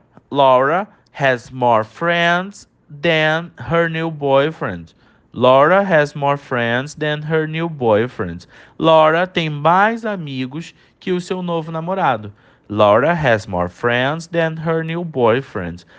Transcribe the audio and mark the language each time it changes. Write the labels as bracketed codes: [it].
[en] Laura has more friends than her new boyfriend. Laura has more friends than her new boyfriend. [pt] Laura tem mais amigos que o seu novo namorado. [en] Laura has more friends than her new boyfriend.